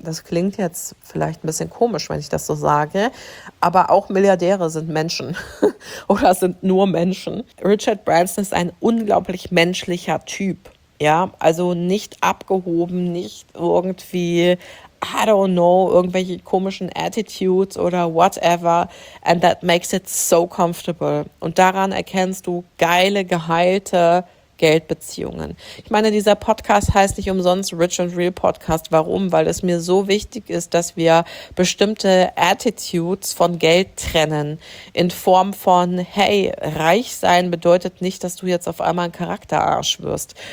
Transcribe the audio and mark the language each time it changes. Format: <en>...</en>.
<de>Das klingt jetzt vielleicht ein bisschen komisch, wenn ich das so sage, aber auch Milliardäre sind Menschen oder sind nur Menschen. Richard Branson ist ein unglaublich menschlicher Typ. Ja, also nicht abgehoben, nicht irgendwie,</de> <en>I don't know,</en> <de>irgendwelche komischen Attitudes oder whatever.</de> <en>And that makes it so comfortable.</en> <de>Und daran erkennst du geile, geheilte Geldbeziehungen. Ich meine, dieser Podcast heißt nicht umsonst Rich and Real Podcast. Warum? Weil es mir so wichtig ist, dass wir bestimmte Attitudes von Geld trennen in Form von, hey, reich sein bedeutet nicht, dass du jetzt auf einmal ein Charakterarsch wirst.</de>